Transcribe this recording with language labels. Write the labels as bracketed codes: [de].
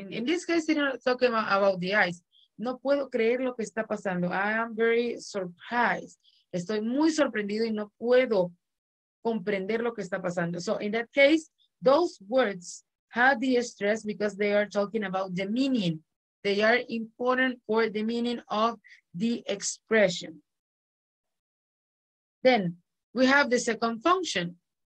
[en] In this case, you're not talking about the eyes. [es] No puedo creer lo que está pasando. [en] I am very surprised. [es] Estoy muy sorprendido y no puedo comprender lo que está pasando. [en] So in that case, those words have the stress because they are talking about the meaning. They are important for the meaning of the expression. Then we have the second function.